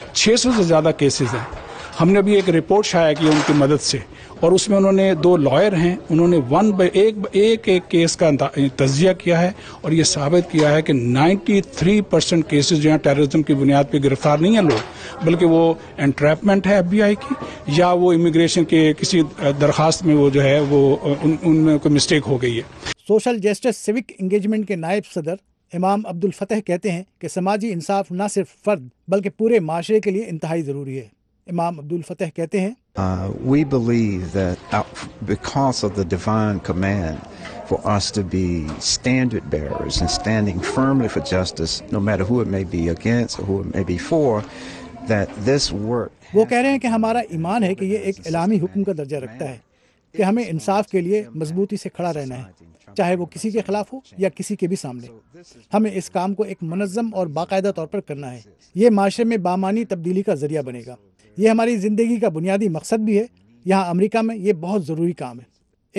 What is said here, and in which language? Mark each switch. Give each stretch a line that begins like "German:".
Urdu: 600 سے زیادہ کیسز ہیں. ہم نے ابھی ایک رپورٹ شائع کی ان کی مدد سے, اور اس میں انہوں نے دو لائر ہیں, انہوں نے ایک کیس کا تجزیہ کیا ہے, اور یہ ثابت کیا ہے کہ 93% کیسز جو ہیں ٹیررزم کی بنیاد پہ گرفتار نہیں ہیں لوگ, بلکہ وہ انٹریپمنٹ ہے ایف بی آئی کی, یا وہ امیگریشن کے کسی درخواست میں وہ جو ہے وہ ان میں کوئی مسٹیک ہو گئی ہے. سوشل جسٹس سیوک انگیجمنٹ کے نائب صدر امام عبد الفتح کہتے ہیں کہ سماجی انصاف نہ صرف فرد بلکہ پورے معاشرے کے لیے انتہائی ضروری ہے. امام عبد الفتح کہتے ہیں,
English: we believe that because of the divine command for us to be standard bearers and standing firmly for justice no matter who it may be against or who it may be for that this work.
Urdu: وہ کہہ رہے ہیں کہ ہمارا ایمان ہے کہ یہ ایک اعلامی حکم کا درجہ رکھتا ہے, کہ ہمیں انصاف کے لیے مضبوطی سے کھڑا رہنا ہے, چاہے وہ کسی کے خلاف ہو یا کسی کے بھی سامنے. ہمیں اس کام کو ایک منظم اور باقاعدہ طور پر کرنا ہے. یہ معاشرے میں بامعنی تبدیلی کا ذریعہ بنے گا. یہ ہماری زندگی کا بنیادی مقصد بھی ہے. یہاں امریکہ میں یہ بہت ضروری کام ہے.